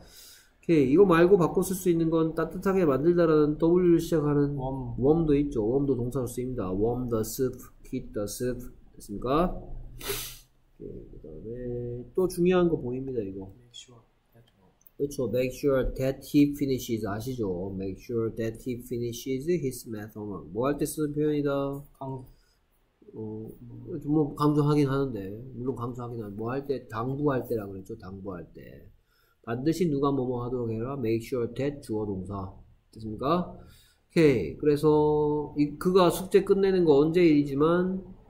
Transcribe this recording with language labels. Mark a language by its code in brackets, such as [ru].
[ko] 오케이, 이거 말고 바꿔 쓸 수 있는 건 따뜻하게 만들다라는 W를 시작하는 warm도 있죠. warm도 동사로 쓰입니다. [en] warm the soup, heat the soup. [ko] 됐습니까? 그 다음에 또 중요한 거 보입니다 이거. [en] Make sure that. [ko] 그렇죠. [en] Make sure that he finishes. [ko] 아시죠? [en] Make sure that he finishes his math homework. [ko] 뭐 할 때 쓰는 표현이다. 뭐 강조하긴 하는데 물론 강조하긴 하는데 뭐 할 때 당부할 때라고 그랬죠. 당부할 때 반드시 누가 뭐뭐 하도록 해라. [en] Make sure that [ko] 주어 동사 됐습니까? 오케이. 그래서 그가 숙제 끝내는 거 언제 일이지만